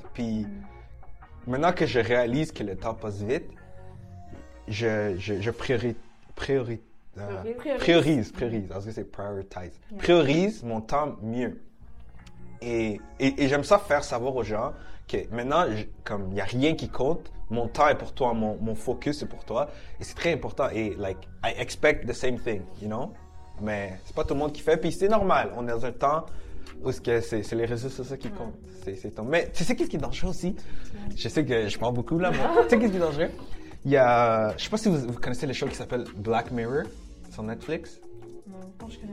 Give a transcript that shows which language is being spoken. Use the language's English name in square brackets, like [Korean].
[French] Puis, maintenant que je réalise que le temps passe vite, je priorise mon temps mieux. Et j'aime ça faire savoir aux gens que maintenant, comme il n'y a rien qui compte, mon temps est pour toi, mon focus est pour toi. Et c'est très important. [English] Et, like, I expect the same thing, you know? [French] Mais c'est pas tout le monde qui fait, puis c'est normal. On est dans un temps où c'est les réseaux sociaux qui comptent. Mais tu sais qu'est-ce qui est dangereux aussi? Je sais que je parle beaucoup là, mais tu sais qu'est-ce qui est dangereux? Il y a. Je sais pas si vous connaissez le show qui s'appelle Black Mirror sur Netflix. Non, je connais